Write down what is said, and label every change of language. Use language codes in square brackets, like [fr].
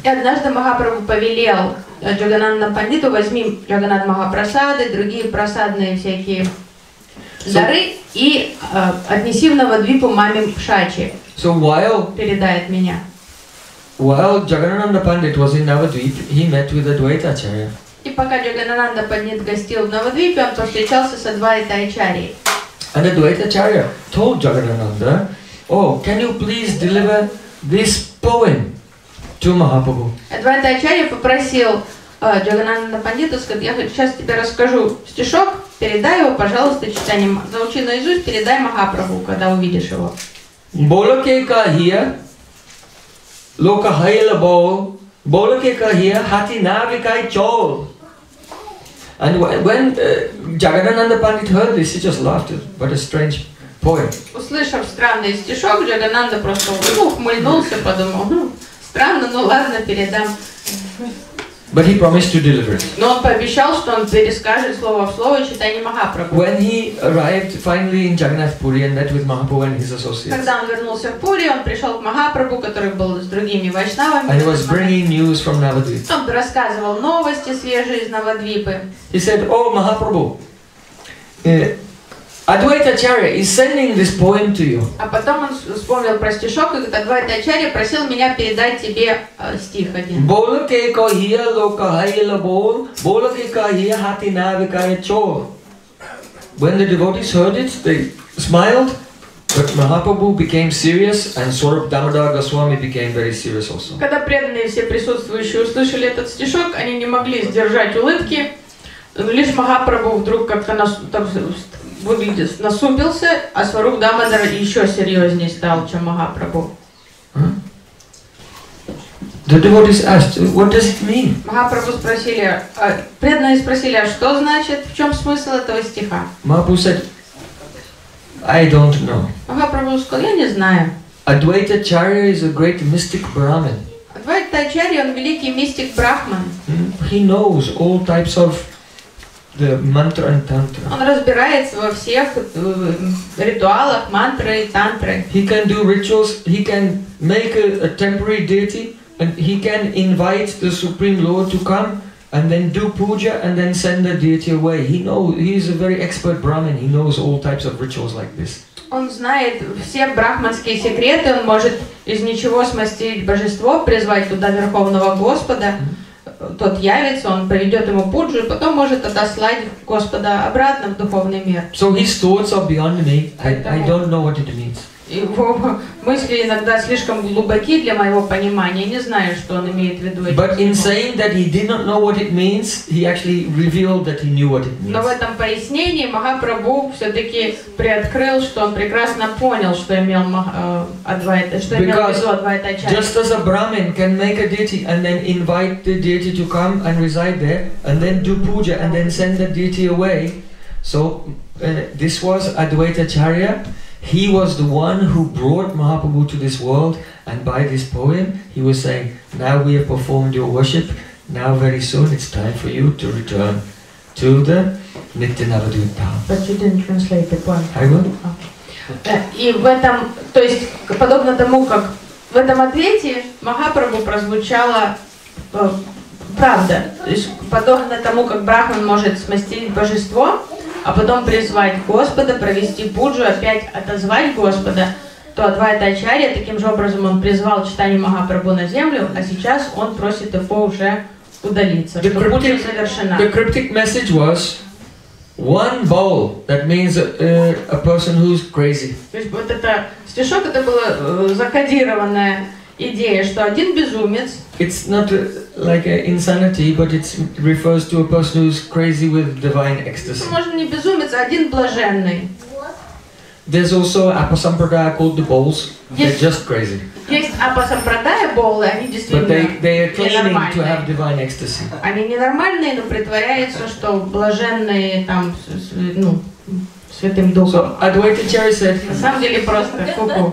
[ru] И однажды Махапрабху повелел Джагананда Пандиту, возьми Джагананд Махапрасады, другие просадные всякие дары и отнеси в Навадвипу маме Шачи. [en] So while [ru] передает меня. [en] While Jagannanda Pandit was in Navadvip, he met with Advaita Acharya. [ru] И пока Джагананда Пандит гостил в Навадвипе, он повстречался с Адвайта Ачарьей. [en] And Advaita Acharya told Jagannanda, can you please deliver this poem to Mahaprabhu? [ru] Адвайта Ачарья попросил Джагананда Пандита, сказать, я сейчас тебе расскажу стишок, передай его, пожалуйста, читанием. Заучи наизусть, передай Махапрабху, когда увидишь его. [bn] Болоке кахия, локахайла бол, болоке кахия, хати навикай чол. [en] And when Джагананда Пандит heard this, he just laughed. What a strange poem. [ru] Услышав странный стишок, Джагананда просто ухмыльнулся, подумал, странно, но ладно, передам. [en] But he promised to deliver it. [ru] Но он пообещал, что он перескажет слово в слово читание Махапрабху. [en] When he arrived finally in Jagannath Puri and met with Mahaprabhu and his associates. [ru] Когда он вернулся в Пури, он пришел к Махапрабху, который был с другими вайшнавами. [en] And he was bringing news from Navadvip. [ru] Он рассказывал новости свежие из Навадвипы. [en] He said, Mahaprabhu, Advaita Acharya is sending this poem to you. [ru] А потом он вспомнил про стишок, и говорит, Адвайта Ачарья просил меня передать тебе стих один. [bn] Болоке кахия локахайла бол, болоке кахия хати навикая чол. [en] When the devotees heard it, they smiled, but Mahaprabhu became serious, and Swarup Damodara Goswami became very serious also. [ru] Когда преданные все присутствующие услышали этот стишок, они не могли сдержать улыбки, лишь Махапрабху вдруг как-то выглядит насупился, а Сваруп Дамодар еще серьезнее стал, чем Махапрабху. [en] The devotees asked, what does it mean? [ru] Махапрабху спросили, преданные спросили, а что значит, в чем смысл этого стиха? [en] Махапрабху said, I don't know. [ru] Махапрабху сказал, я не знаю. [en] Advaita Acharya is a great mystic Brahmin. [ru] Адвайта Ачарья, он великий мистик Брахман. [en] He knows all types of the mantra and tantra. [ru] Он разбирается во всех ритуалах, мантры и тантры. [en] He can do rituals, he can make a temporary deity, and he can invite the Supreme Lord to come and then do puja and then send the deity away. He is a very expert Brahmin, he knows all types of rituals like this. [ru] Он знает все брахманские секреты, он может из ничего смастерить божество, призвать туда Верховного Господа. Тот явится, он проведет ему пуджу, и потом может отослать Господа обратно в духовный мир. [en] So his thoughts are beyond me. I don't know what it means. [ru] Его мысли иногда слишком глубоки для моего понимания. Не знаю, что он имеет в виду. [en] But in saying that he did not know what it means, he actually revealed that he knew what it means. [ru] Но в этом пояснении Махапрабху все-таки приоткрыл, что он прекрасно понял, что имел Адвайта, что имел в виду Адвайта Ачарья. [en] Just as a Brahmin can make a deity and then invite the deity to come and reside there, and then do puja and then send the deity away, so this was Advaita Acharya. He was the one who brought Mahaprabhu to this world, and by this poem, he was saying, now we have performed your worship, now very soon it's time for you to return to the Nityanavadvipa. But you didn't translate the poem. I will. [ru] Okay. И в этом, то есть, подобно тому, как в этом ответе Махапрабху прозвучала правда. То есть, подобно тому, как Брахман может смастерить божество, а потом призвать Господа, провести пуджу, опять отозвать Господа, то Адвайта Ачарья, таким же образом он призвал читание Махапрабху на землю, а сейчас он просит его уже удалиться, чтобы пуджа завершена. [en] The cryptic message was one bowl, that means a person who's crazy. [ru] То есть вот это стишок, это была закодированная идея, что один безумец. [en] It's not like an insanity, but it refers to a person who's crazy with divine ecstasy. [ru] Можно не безумец, а один блаженный. [en] There's also апасампрадая called the bowls. Yes. They're just crazy. [ru] Есть апасампрадая боулы, они действительно ненормальные. [en] But they are claiming to have divine ecstasy. [ru] Они ненормальные, но притворяются, что блаженные там, ну. Святым Духом. [en] So Advaita Acharya said. [ru] На самом деле просто ку-ку.